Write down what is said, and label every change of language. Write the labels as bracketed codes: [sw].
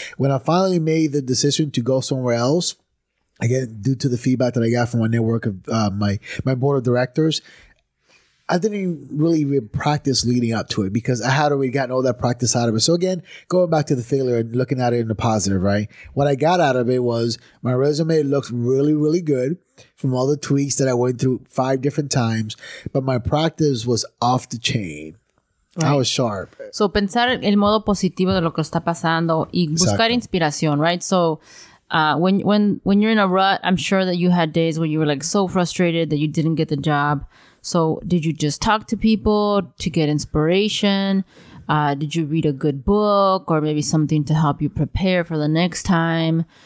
[en] When I finally made the decision to go somewhere else, again, due to the feedback that I got from my network of my board of directors, I didn't really even practice leading up to it because I had already gotten all that practice out of it. So again, going back to the failure and looking at it in the positive, right? What I got out of it was my resume looks really, really good from all the tweaks that I went through 5 different times, but my practice was off the chain. Right. I was sharp. [es] So pensar el modo positivo de lo que está pasando y buscar [en] exactly. [es] inspiración, right? [en] So when you're in a rut, I'm sure that you had days where you were like so frustrated that you didn't get the job. So did you just talk to people to get inspiration? Did you read a good book or maybe something to help you prepare for the next time?